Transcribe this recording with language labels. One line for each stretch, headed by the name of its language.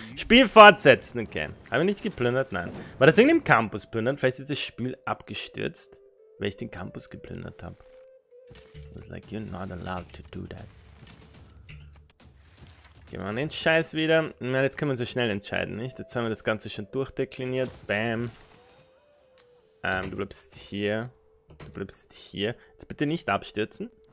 German: Spiel fortsetzen, okay. Haben wir nicht geplündert? Nein. War das irgendwie im Campus plündert? Vielleicht ist das Spiel abgestürzt? Weil ich den Campus geplündert habe.
English: I was like, you're not allowed to do that.
German: Gehen wir an den Scheiß wieder. Na, jetzt können wir so schnell entscheiden, nicht? Jetzt haben wir das Ganze schon durchdekliniert. Bam. Du bleibst hier. Du bleibst hier. Jetzt bitte nicht abstürzen.